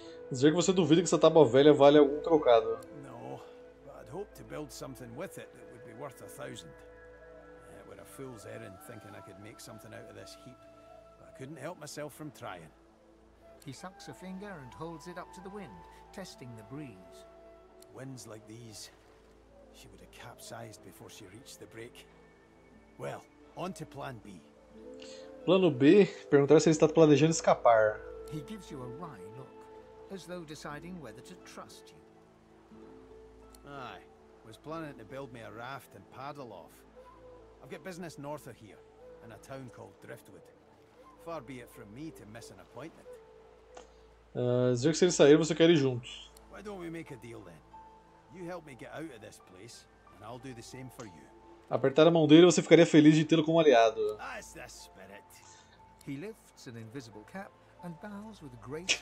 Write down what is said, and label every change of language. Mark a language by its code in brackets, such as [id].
[pt] Dizer que você duvida que essa tábua velha vale algum trocado. [en] No, but I'd hope to build something with it that would be worth a thousand. It were a fool's errand thinking I could make something out of this heap. Couldn't help myself from trying. He sucks a finger and holds it up to the wind, testing the breeze. Winds like these, she would have capsized before she reached the break. Well, on to plan B. [pt] Plano B, perguntar se ele está planejando escapar. [en] He gives you a wry look, as though deciding whether to trust you. Aye, was planning to build me a raft and paddle off. I've got business north of here, in a town called Driftwood. Far be it from me to miss an appointment. [pt] Dizer que se ele sair, você quer ir juntos. [en] Why don't we make a deal then? You help me get out of this place, and I'll do the same for you. [pt] Apertar a mão dele, você ficaria feliz de tê-lo como aliado. [en] That's the spirit. He lifts an invisible cap and bows with grace.